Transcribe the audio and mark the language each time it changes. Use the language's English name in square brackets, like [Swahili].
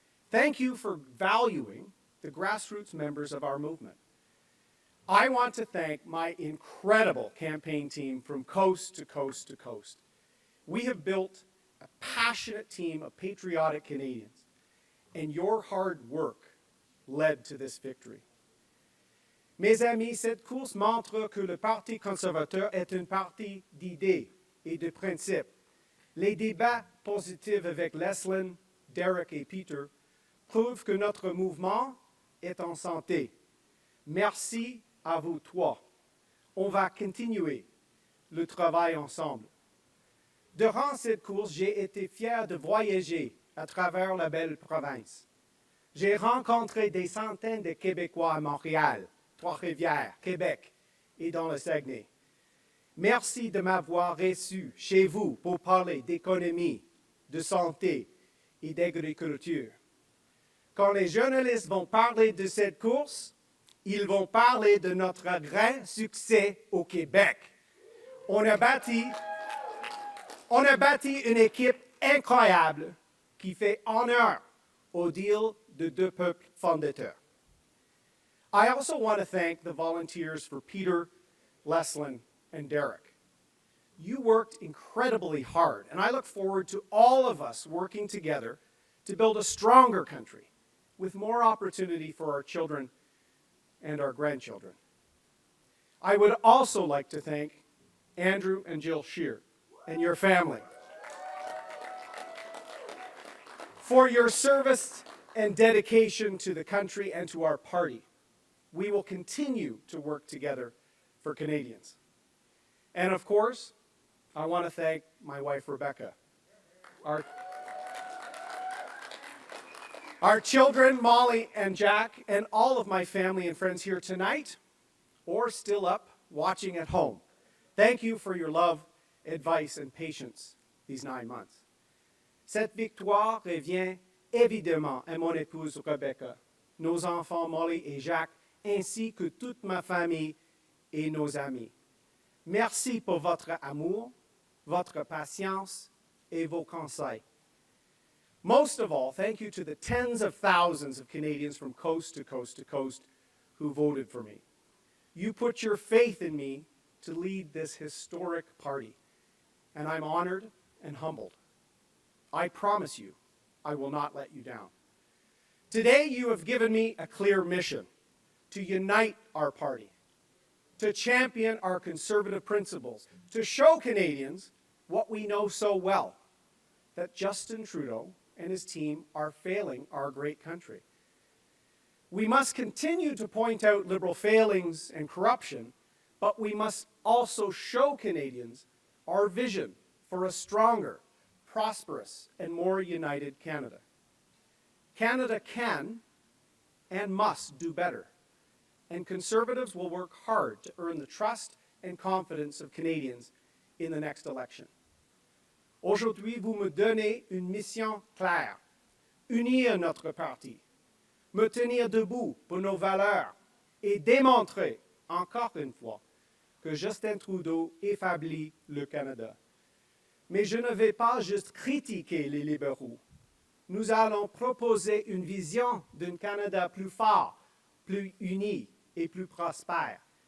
[English] Thank you for valuing the grassroots members of our movement. I want to thank my incredible campaign team from coast to coast to coast. We have built a passionate team of patriotic Canadians, and your hard work led to this victory. [French] Mes amis, cette course montre que le Parti conservateur est un parti d'idées et de principes. Les débats positifs avec Leslyn, Derek et Peter prouvent que notre mouvement est en santé. Merci à vous trois. On va continuer le travail ensemble. Durant cette course, j'ai été fier de voyager à travers la belle province. J'ai rencontré des centaines de Québécois à Montréal, Trois-Rivières, Québec et dans le Saguenay. Merci de m'avoir reçu chez vous pour parler d'économie, de santé et d'agriculture. Quand les journalistes vont parler de cette course, ils vont parler de notre grand succès au Québec. On a bâti une équipe incroyable qui fait honneur au deal de deux peuples fondateurs. [English] I also want to thank the volunteers for Peter, Leslyn, and Derek. You worked incredibly hard, and I look forward to all of us working together to build a stronger country with more opportunity for our children and our grandchildren. I would also like to thank Andrew and Jill Scheer and your family for your service and dedication to the country and to our party. We will continue to work together for Canadians. And of course, I want to thank my wife, Rebecca, our children, Molly and Jack, and all of my family and friends here tonight, or still up watching at home. Thank you for your love, advice, and patience these 9 months. [French] Cette victoire revient évidemment à mon épouse, Rebecca, nos enfants, Molly et Jack, ainsi que toute ma famille et nos amis. Merci pour votre amour, votre patience et vos conseils. [English] Most of all, thank you to the tens of thousands of Canadians from coast to coast to coast who voted for me. You put your faith in me to lead this historic party, and I'm honored and humbled. I promise you, I will not let you down. Today, you have given me a clear mission: to unite our party, to champion our conservative principles, to show Canadians what we know so well, that Justin Trudeau and his team are failing our great country. We must continue to point out Liberal failings and corruption, but we must also show Canadians our vision for a stronger, prosperous, and more united Canada. Canada can and must do better. And Conservatives will work hard to earn the trust and confidence of Canadians in the next election. [French] Aujourd'hui, vous me donnez une mission claire: unir notre parti, me tenir debout pour nos valeurs et démontrer encore une fois que Justin Trudeau affaiblit le Canada. Mais je ne vais pas juste critiquer les libéraux. Nous allons proposer une vision d'un Canada plus fort, plus uni et plus prospère.